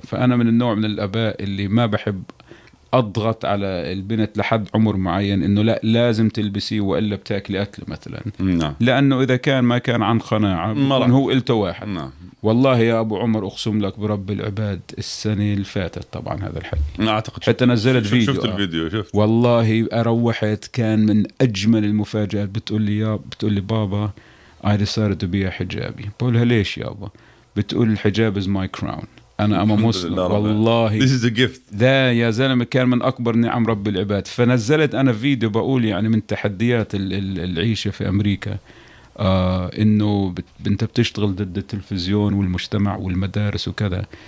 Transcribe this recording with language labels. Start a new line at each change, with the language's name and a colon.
Arabic: فأنا من النوع من الأباء اللي ما بحب أضغط على البنت لحد عمر معين إنه لا لازم تلبسي وإلا بتاكلي أكل مثلا لأنه إذا كان ما كان عن قناعة هو إلته واحد. والله يا أبو عمر أقسم لك برب العباد السنة اللي فاتت طبعا هذا الحكي أعتقد حتى نزلت فيديو شفت الفيديو شفت. والله أروحت كان من أجمل المفاجآت. بتقول لي بابا
English: I decided to be a
Arabic: حجابي. بقولها ليش يا أبا؟ بتقول الحجاب
English: is my crown.
Arabic: أنا أما مسلم والله
English: This is a gift.
Arabic: ده يا زلمة كان من أكبر نعم رب العباد. فنزلت أنا فيديو بقول يعني من تحديات العيشة في أمريكا إنه أنت بتشتغل ضد التلفزيون والمجتمع والمدارس وكذا.